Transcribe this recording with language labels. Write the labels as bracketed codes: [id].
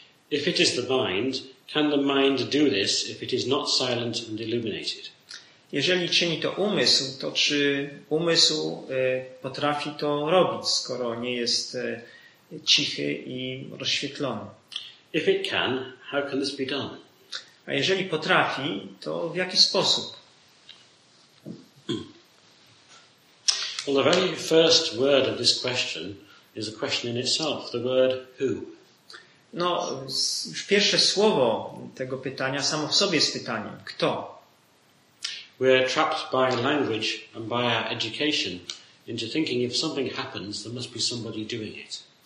[en] If it is the mind, can the mind do this if it is not silent and illuminated? [pl] Jeżeli czyni to umysł, to czy umysł potrafi to robić, skoro nie jest cichy i rozświetlony? [en] If it can, how can this be done? [pl] A jeżeli potrafi, to w jaki sposób? [en] Well, the very first word of this question is a question in itself, the word who. [pl] No, już pierwsze słowo tego pytania samo w sobie jest pytaniem. Kto? [en] We are trapped by language and by our education into thinking if something happens, there must be somebody doing it.